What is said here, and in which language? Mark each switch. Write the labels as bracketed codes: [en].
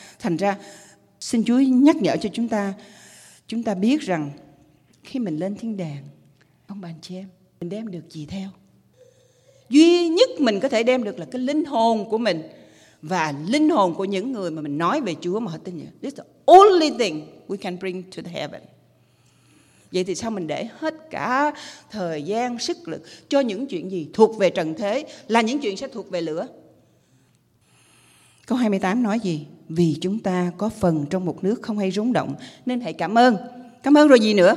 [vi] Thành ra, xin Chúa nhắc nhở cho chúng ta biết rằng khi mình lên thiên đàng, ông bà anh chị em, mình đem được gì theo? Duy nhất mình có thể đem được là cái linh hồn của mình và linh hồn của những người mà mình nói về Chúa mà họ tin nhận. [en] This is the only thing we can bring to the heaven. [vi] Vậy thì sao mình để hết cả thời gian, sức lực cho những chuyện gì thuộc về trần thế, là những chuyện sẽ thuộc về lửa? Câu 28 nói gì? Vì chúng ta có phần trong một nước không hay rúng động, nên hãy cảm ơn. Cảm ơn rồi gì nữa?